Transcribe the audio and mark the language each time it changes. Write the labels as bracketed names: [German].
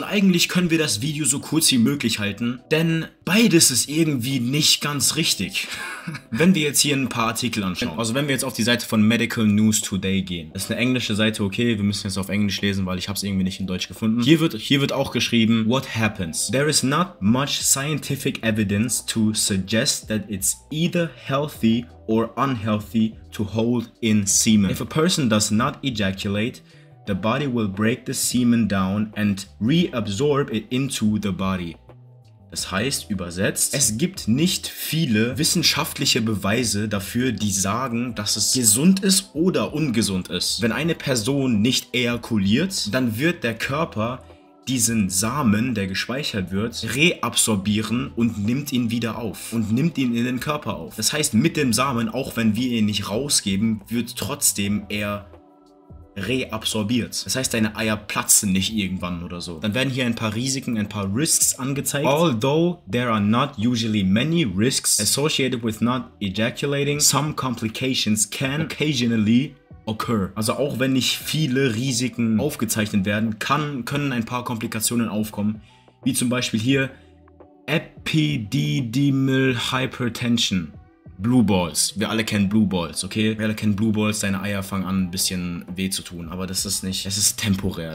[German] Und eigentlich können wir das Video so kurz wie möglich halten, denn beides ist irgendwie nicht ganz richtig. Wenn wir jetzt hier ein paar Artikel anschauen, also wenn wir jetzt auf die Seite von Medical News Today gehen, das ist eine englische Seite, okay, wir müssen jetzt auf Englisch lesen, weil ich habe es irgendwie nicht in Deutsch gefunden. Hier wird auch geschrieben, [English] what happens? There is not much scientific evidence to suggest that it's either healthy or unhealthy to hold in semen. If a person does not ejaculate, the body will break the semen down and reabsorb it into the body. [German] Das heißt, übersetzt, es gibt nicht viele wissenschaftliche Beweise dafür, die sagen, dass es gesund ist oder ungesund ist. Wenn eine Person nicht ejakuliert, dann wird der Körper diesen Samen, der gespeichert wird, reabsorbieren und nimmt ihn wieder auf und nimmt ihn in den Körper auf. Das heißt, mit dem Samen, auch wenn wir ihn nicht rausgeben, wird trotzdem er reabsorbiert. Das heißt, deine Eier platzen nicht irgendwann oder so. Dann werden hier ein paar Risiken, ein paar Risks angezeigt. [English] Although there are not usually many risks associated with not ejaculating, some complications can occasionally occur. [German] Also auch wenn nicht viele Risiken aufgezeichnet werden, können ein paar Komplikationen aufkommen. Wie zum Beispiel hier Epididymal Hypertension. Blue Balls. Wir alle kennen Blue Balls, okay? Wir alle kennen Blue Balls. Deine Eier fangen an, ein bisschen weh zu tun. Aber das ist nicht... Es ist temporär.